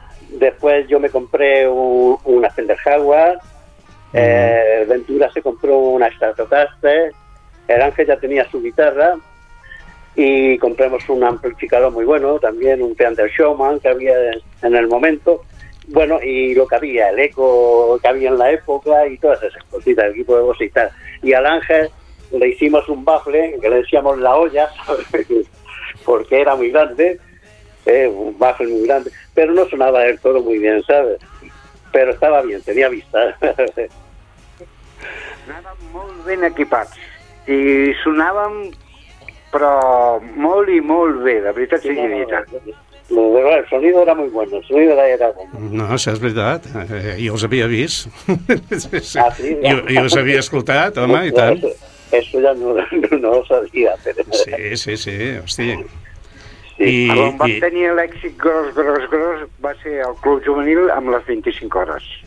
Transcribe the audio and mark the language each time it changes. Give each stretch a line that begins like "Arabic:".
Spanish: Después yo me compré una Fender Jaguar, Ventura se compró una Stratocaster, el Ángel ya tenía su guitarra, y compramos un amplificador muy bueno, también un Fender Showman que había en el momento, bueno, y lo que había, el eco que había en la época y todas esas cositas, el equipo de voz y tal. Y al Ángel le hicimos un baffle, que le decíamos la olla, porque era muy grande, un baffle muy grande, pero no sonaba del todo muy bien, ¿sabes? Pero estaba bien, tenía vista.
Catalan: Anàvem molt ben equipats i sonàvem però molt i molt bé, de veritat, sigui dita.
Spanish: El sonido era muy bueno, el sonido era bueno.
Catalan: No, això és veritat, jo els havia vist. Sí. Ah, sí, jo els havia escoltat, home, i tant.
Spanish: Eso ya no lo sabía, pero...
Catalan: Sí, hòstia. Sí, on va tenir l'èxit gros, va ser el Club Juvenil amb les 25 hores.